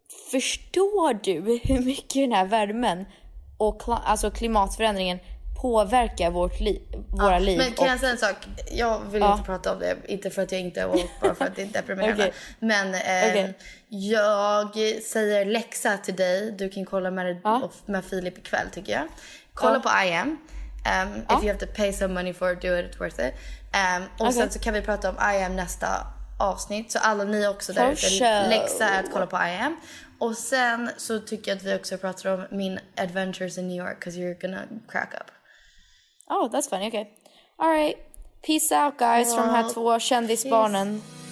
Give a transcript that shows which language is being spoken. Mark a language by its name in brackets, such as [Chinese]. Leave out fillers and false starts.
[Swedish] Förstår du hur mycket den här värmen och alltså klimatförändringen påverkar vårt våra liv? Men kan jag säga en sak? Jag vill inte prata om det, inte för att jag inte har åkt, bara för att det är deprimerande. Okay. Men jag säger läxa till dig. Du kan kolla med Filip ikväll tycker jag. Kolla på I Am. [English] If you have to pay some money for it, do it, it's worth it. [Swedish] Och sen så kan vi prata om I Am nästa avsnitt. Så alla ni också där ute, läxa att kolla på I Am. Och sen så tycker jag att vi också pratar om min [English] adventures in New York, because you're gonna crack up. Oh, that's funny, okay. All right, peace out guys from [Swedish] här två kändisbarnen.